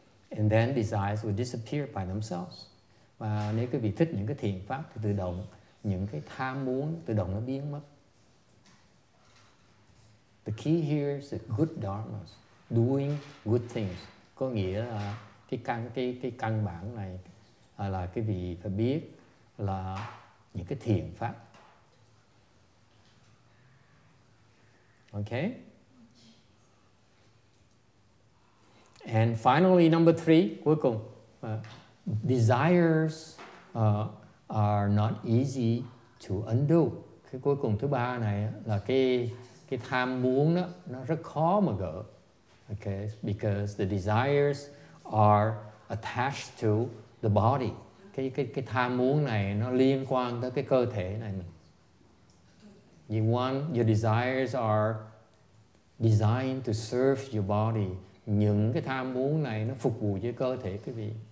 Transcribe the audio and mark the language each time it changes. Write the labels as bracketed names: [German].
[English] And then desires will disappear by themselves. [Vietnamese] Và nếu quý vị thích những cái thiện pháp thì tự động những cái tham muốn tự động nó biến mất. [English] The key here is good dharmas, doing good things. [Vietnamese] Có nghĩa là cái căn bản này là quý vị phải biết là những cái thiện pháp. [English] Okay? And finally, number three, [Vietnamese] cuối cùng, [English] desires are not easy to undo. [Vietnamese] Cái cuối cùng thứ ba này là cái tham muốn đó, nó rất khó mà gỡ. [English] Okay, because the desires are attached to the body. Ok, [Vietnamese] cái tham muốn này nó liên quan tới cái cơ thể này mình. [English] You want, your desires are designed to serve your body. [Vietnamese] Những cái tham muốn này nó phục vụ cho cơ thể quý vị.